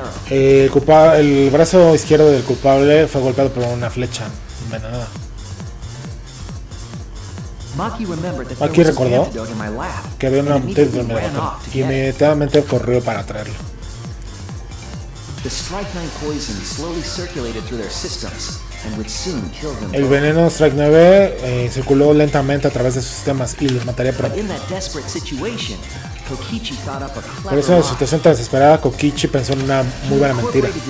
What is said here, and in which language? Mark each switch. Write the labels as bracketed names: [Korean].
[Spanish] El brazo izquierdo del culpable fue golpeado por una flecha envenenada. Maki recordó que había un antídoto en mi lab y inmediatamente corrió para traerlo. [English] The Strike 9 poison slowly circulated through their systems and would soon kill them. [Spanish] El veneno Strike 9 circuló lentamente a través de sus sistemas y los mataría pronto. [English] In that desperate situation, Kokichi thought up a clever [Spanish] plan. Por eso en la situación tan desesperada, Kokichi pensó en una muy buena mentira.